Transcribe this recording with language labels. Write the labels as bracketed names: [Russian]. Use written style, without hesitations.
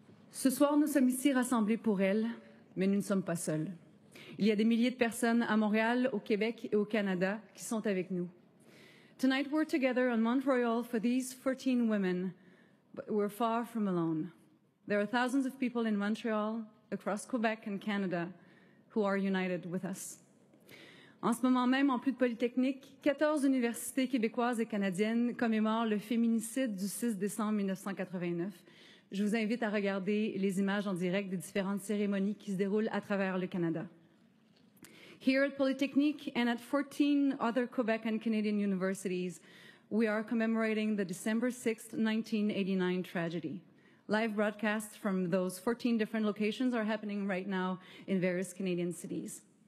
[French] Ce soir, nous sommes ici rassemblés pour elle, mais nous ne sommes pas seuls. Il y a des milliers de personnes à Montréal, au Québec et au Canada qui sont avec nous. [English] Tonight, we're together on Mount Royal for these 14 women, but we're far from alone. There are thousands of people in Montreal, across Quebec and Canada, who are united with us. [French] En ce moment même, en plus de Polytechnique, 14 universités québécoises et canadiennes commémorent le féminicide du 6 décembre 1989. Je vous invite à regarder les images en direct des différentes cérémonies qui se déroulent à travers le Canada. [English] Here at Polytechnique and at 14 other Quebec and Canadian universities, we are commemorating the December 6, 1989 tragedy. Live broadcasts from those 14 different locations are happening right now in various Canadian cities.